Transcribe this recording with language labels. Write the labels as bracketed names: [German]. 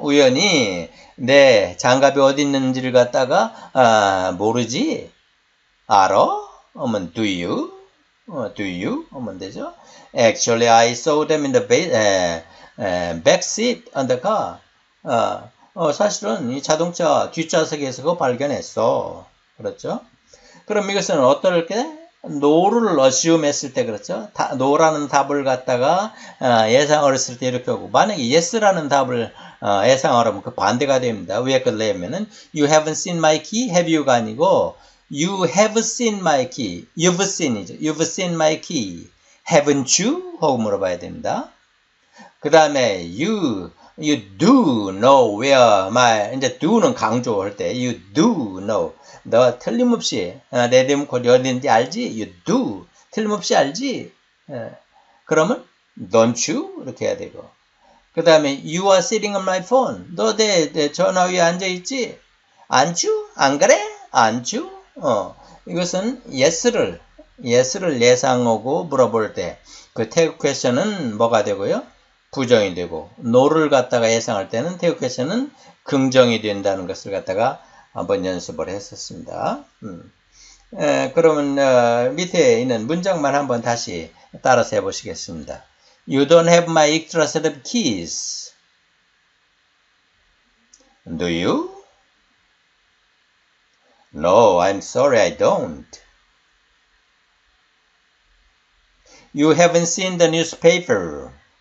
[Korean] 우연히 내 장갑이 어디 있는지를 갖다가 모르지? 알아? 어머, [English] do you? do you? [Korean] 어머, 되죠? [English] Actually, I saw them in the back seat on the car. [Korean] 사실은 이 자동차 뒷좌석에서 그거 발견했어. 그렇죠? 그럼 이것은 어떨게? no를 assume했을 때 그렇죠? no라는 답을 갖다가 예상어를 쓸때 이렇게 하고 만약에 yes라는 답을 예상어라면 그 반대가 됩니다. 위에 걸 내면은 [English] you haven't seen my key, have you가 아니고 you have seen my key, you've seen이죠. you've seen my key, haven't you? [Korean] 하고 물어봐야 됩니다. 그 다음에 [English] you do know where my 이제 do [Korean] 는 강조할 때 [English] you do know. [Korean] 너 틀림없이 내 대문 곧 열리는지 알지? [English] You do. [Korean] 틀림없이 알지? 그러면 don't you? 이렇게 해야 되고. 그 다음에 [English] you are sitting on my phone. [Korean] 너내 전화 위에 앉아 있지? 앉죠? 안 그래? 앉죠? 이것은 yes를 예상하고 물어볼 때그 태그 퀘스천은 뭐가 되고요? 부정이 되고 no를 갖다가 예상할 때는 태그 퀘스천은 긍정이 된다는 것을 갖다가 한번 연습을 했었습니다. 그러면 밑에 있는 문장만 한번 다시 따라서 해보시겠습니다. [English] You don't have my extra set of keys. Do you? No, I'm sorry, I don't. You haven't seen the newspaper.